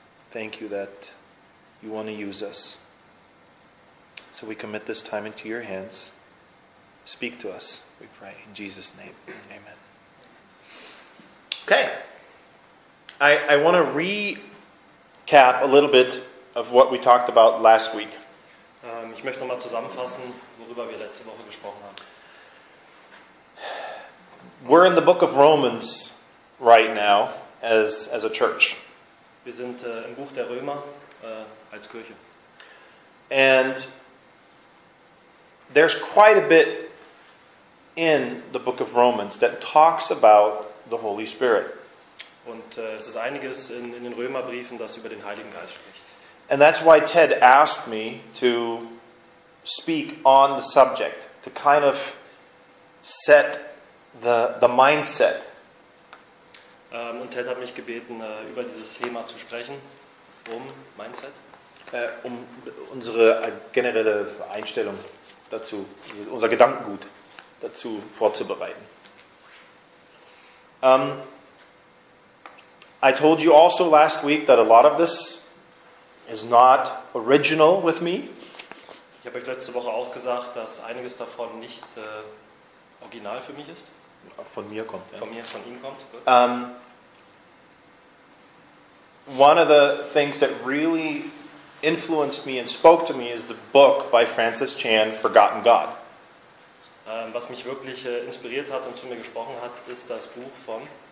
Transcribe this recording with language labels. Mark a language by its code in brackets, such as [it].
[en] Thank you that you want to use us. So we commit this time into your hands. Speak to us, we pray, in Jesus' name. Amen. Okay. I want to recap a little bit of what we talked about last week. [de] Ich möchte nochmal zusammenfassen, worüber wir letzte Woche gesprochen haben. [en] We're in the book of Romans right now as a church. [de] Wir sind im Buch der Römer als Kirche. [en] And there's quite a bit in the book of Romans that talks about the Holy Spirit. [de] Und es ist einiges in den Römerbriefen, das über den Heiligen Geist spricht. [en] And that's why Ted asked me to speak on the subject, to kind of set the mindset. [de] Und Ted hat mich gebeten, über dieses Thema zu sprechen, um Mindset. Um unsere generelle Einstellung dazu, unser Gedankengut dazu vorzubereiten. [en] I told you also last week that a lot of this is not original with me. [de] Ich habe euch letzte Woche auch gesagt, dass einiges davon nicht original für mich ist. Von mir kommt, ja. Von mir, von ihm kommt. [en] One of the things that really influenced me and spoke to me is the book by Francis Chan, Forgotten God. [de] Was mich wirklich inspiriert hat und zu mir gesprochen hat, ist das Buch von